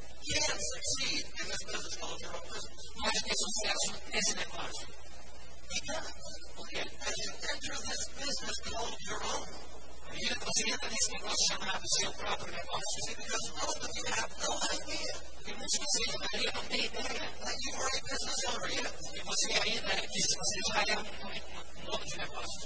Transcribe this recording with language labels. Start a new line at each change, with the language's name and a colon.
English: Can succeed in this business called your own business.
Portuguese: Pode ter sucesso nesse negócio.
English: Because as you enter this business called your own,
Portuguese: a vida que você entra nesse negócio chamado seu próprio negócio,
English: see, because most of you have no idea.
Portuguese: E muitos de vocês, a maioria, não tem ideia.
English: That you are a business owner yet.
Portuguese: E você ainda diz que você já é um dono de negócio.